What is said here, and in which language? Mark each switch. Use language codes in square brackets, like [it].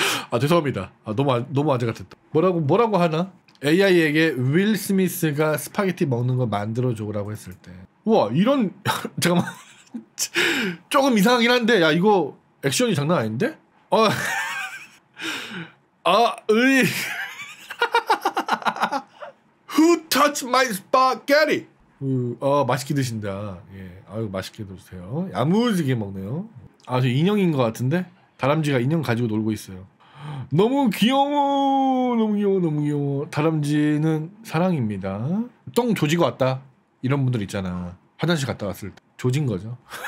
[ko] 아 죄송합니다. 아 너무 아재 같았다. 뭐라고 하나? AI에게 윌 스미스가 스파게티 먹는 거 만들어 줘라고 했을 때. 우와 이런 잠깐만 조금 이상하긴 한데 야 이거 액션이 장난 아닌데? [en] 어 아 의 Who touched my spaghetti? [ko] 어 맛있게 드신다. 예 아유 맛있게 드세요. 야무지게 먹네요. 아 저 인형인 것 같은데 다람쥐가 인형 가지고 놀고 있어요. 너무 귀여워 너무 귀여워 너무 귀여워. 다람쥐는 사랑입니다. 똥 조지고 왔다 이런 분들 있잖아. 화장실 갔다 왔을 때 조진 거죠.